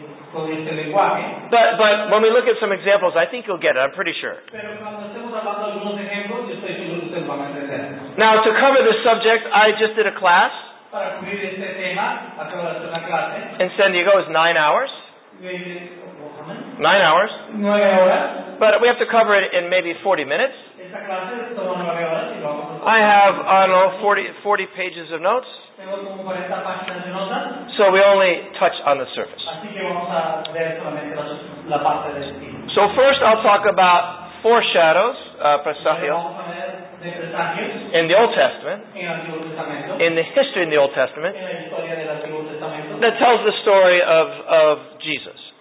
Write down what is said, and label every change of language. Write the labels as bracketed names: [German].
[English] But when we look at some examples, I think you'll get it, I'm pretty sure. [Spanish] Pero cuando estemos hablando de algunos ejemplos, yo estoy seguro que ustedes van a entender. [English] Now, to cover this subject, I just did a class. [Spanish] Para cubrir este tema, acabo de hacer una clase. [English] In San Diego, it's 9 hours. 9 hours. 9 hours. But we have to cover it in maybe 40 minutes. [Spanish] Esta clase toma 9 horas y vamos a... [English] I have, I don't know, 40 pages of notes. [Spanish] Tengo como 40 páginas de notas. [English] So we only touch on the surface. [Spanish] Así que vamos a ver solamente la parte del estilo. [English] So first I'll talk about foreshadows, presagios, in the Old Testament, in the history in the Old Testament, that tells the story of Jesus.